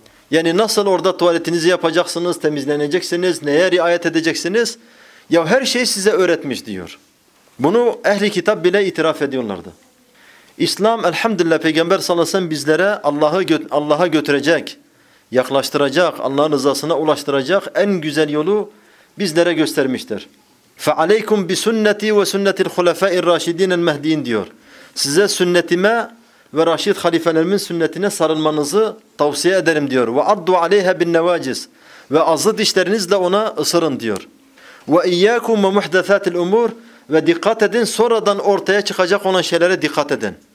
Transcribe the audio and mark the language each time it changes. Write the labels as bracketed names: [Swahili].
[Turkish] Yani nasıl orada tuvaletinizi yapacaksınız, temizleneceksiniz, neye riayet edeceksiniz, ya her şeyi size öğretmiş diyor. Bunu ehli kitap bile itiraf ediyorlardı. İslam elhamdülillah peygamber sallallahu aleyhi ve sellem bizlere Allah'a götürecek, yaklaştıracak, Allah'ın rızasına ulaştıracak en güzel yolu bizlere göstermiştir. [Arabic] فَعَلَيْكُمْ بِسُنَّتِي وَسُنَّتِ الْخُلَفَاءِ الرَّاشِد۪ينَ الْمَهْد۪ينَ [Turkish] diyor. Size sünnetime ve raşid halifelerimin sünnetine sarılmanızı tavsiye ederim diyor. [Arabic] وَعَضُّ عَلَيْهَا بِالنَّوَاجِسِ [Turkish] ve azı dişlerinizle ona ısırın diyor. [Arabic] وَاِيَّاكُمْ وَمُحْدَثَاتِ الْاُمُورِ [Turkish] ve dikkat edin, sonradan ortaya çıkacak olan şeylere dikkat edin.